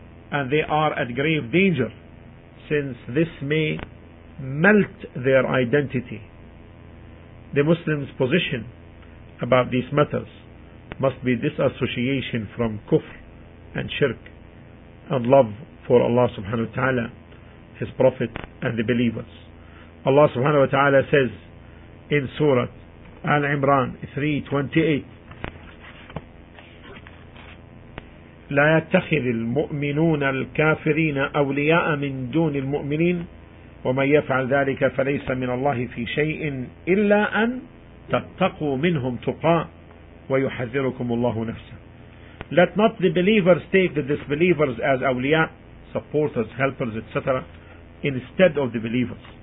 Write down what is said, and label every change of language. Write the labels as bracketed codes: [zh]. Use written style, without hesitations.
[en] And they are at grave danger, since this may melt their identity. The Muslim's position about these matters must be disassociation from kufr and shirk, and love for Allah subhanahu wa ta'ala, His Prophet, and the believers. Allah subhanahu wa ta'ala says in Surah Al-Imran 3:28, [ar] لا يتخذ المؤمنون الكافرين أولياء من دون المؤمنين ومن يفعل ذلك فليس من الله في شيء إلا أن تتقوا منهم تقاء ويحذركم الله نفسه. [en] Let not the believers take the disbelievers as awliya, supporters, helpers, etc., instead of the believers.